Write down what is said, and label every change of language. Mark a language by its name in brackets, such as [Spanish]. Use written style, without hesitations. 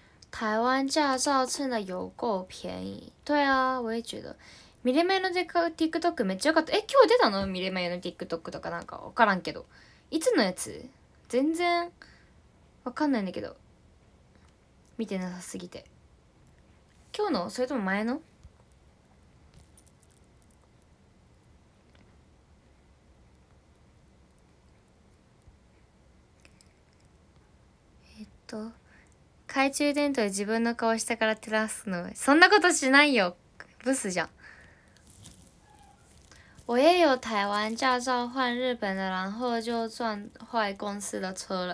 [Chinese] 台湾驾照真的有够便宜。对啊，我也觉得。 [Japanese] ミレメイのティックトックめっちゃ良かった。え、今日出たの？ミレメイのティックトックとかなんか分からんけど。いつのやつ？全然分かんないんだけど。見てなさすぎて。今日の？それとも前の？懐中電灯で自分の顔下から照らすの、そんなことしないよ、ブスじゃん。 [Chinese] 我也有台湾驾照换日本的，然后就撞坏公司的车了。